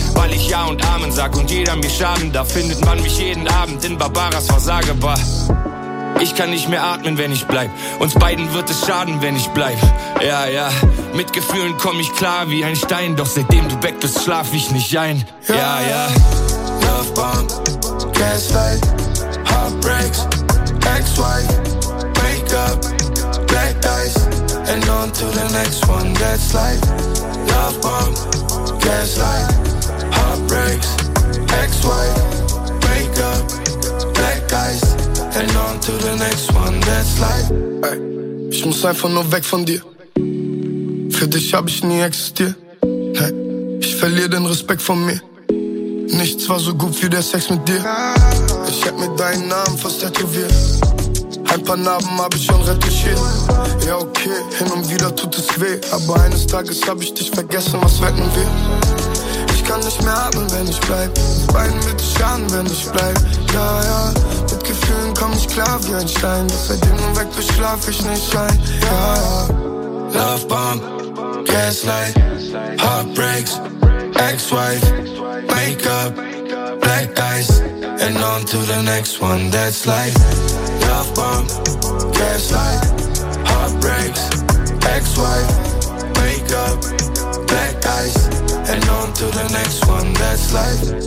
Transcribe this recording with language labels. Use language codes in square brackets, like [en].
[de] Weil ich Ja und Amen sag und jeder mir schaden, da findet man mich jeden Abend in Barbaras Versagebar. Ich kann nicht mehr atmen, wenn ich bleib. Uns beiden wird es schaden, wenn ich bleib. Ja, ja, mit Gefühlen komm ich klar wie ein Stein. Doch seitdem du weg bist, schlaf ich nicht ein. Ja, ja. [en] Love Bomb, Gaslight, Heartbreaks, Ex-Wife, Make-up, Black Eyes, and on to the next one, that's life. Love Bomb, Gaslight, Heartbreaks, Ex-Wife, Make-up, Black Eyes, and on to the next one, that's life. [de] Ey, ich muss einfach nur weg von dir. Für dich hab ich nie existiert. Hey, ich verliere den Respekt von mir. Nichts war so gut wie der Sex mit dir. Ich hätte mir deinen Namen fast tätowiert. Ein paar Narben hab ich schon retuschiert. Ja, okay, hin und wieder tut es weh. Aber eines Tages hab ich dich vergessen, was wetten wir? Ich kann nicht mehr atmen, wenn ich bleib. Beiden wird es schaden, wenn ich bleib. Ja, ja, mit Gefühlen komm ich klar wie ein Stein. Doch seitdem du weg bist, schlaf ich nicht ein. Ja, ja. [en] Love Bomb, Gaslight, Heartbreaks, Ex-Wife, Make-up, Black Eyes, and on to the next one, that's life. Love Bomb, Gaslight, Heartbreaks, Ex-Wife, Make-up, Black Eyes, and on to the next one, that's life.